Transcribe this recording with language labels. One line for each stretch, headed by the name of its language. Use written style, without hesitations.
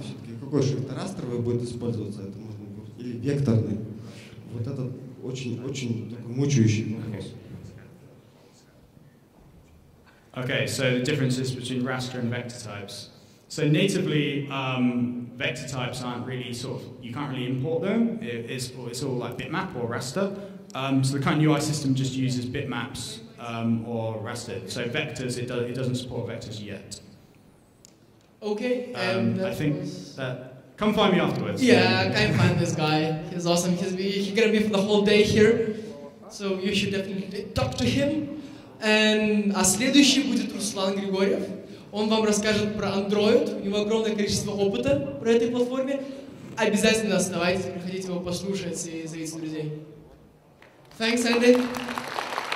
Russian: Все-таки какой шрифт растровый будет использоваться? Это можно говорить, или векторный? Вот это очень-очень такой мучающий вопрос.
English: Okay, so the differences between raster and vector types. So natively, vector types aren't really sort of, you can't really import them. It's all like bitmap or raster. So the current UI system just uses bitmaps or raster. So vectors, it doesn't support vectors yet. Okay, I think that, come find me afterwards. Yeah, I can find this guy. He's awesome. He's gonna be for the whole day here. So you should definitely talk to him.
Russian: А следующий будет Руслан Григорьев. Он вам расскажет про Android. У него огромное количество опыта про этой платформе. Обязательно оставайтесь, приходите его послушать и зовите друзей.
English: Thanks, Andy.